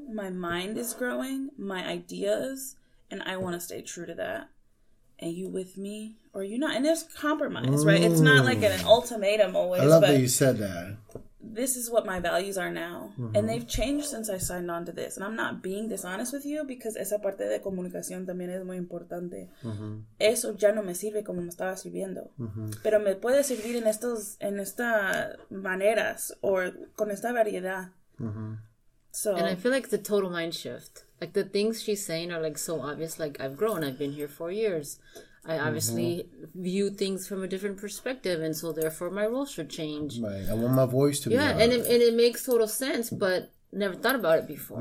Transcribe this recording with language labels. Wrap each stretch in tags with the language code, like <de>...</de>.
<en>My mind is growing, my ideas, and I want to stay true to that. And you with me or you not? And there's compromise, right? It's not like an ultimatum always. I love that you said that. This is what my values are now. Mm-hmm. And they've changed since I signed on to this. And I'm not being dishonest with you because</en> <es>esa parte de comunicación también es muy importante.</es> <en>Mm-hmm.</en> <es>Eso ya no me sirve como me estaba sirviendo. Mm-hmm. Pero me puede servir en estos, en esta maneras</es> <en>or</en> <es>con esta variedad. Mm-hmm.</es> <en>So, and I feel like it's a total mind shift. Like the things she's saying are like so obvious. Like I've grown. I've been here 4 years. I obviously mm-hmm. view things from a different perspective, and so therefore my role should change. Right, I want my voice to be heard. Yeah, and it makes total sense, but never thought about it before.</en>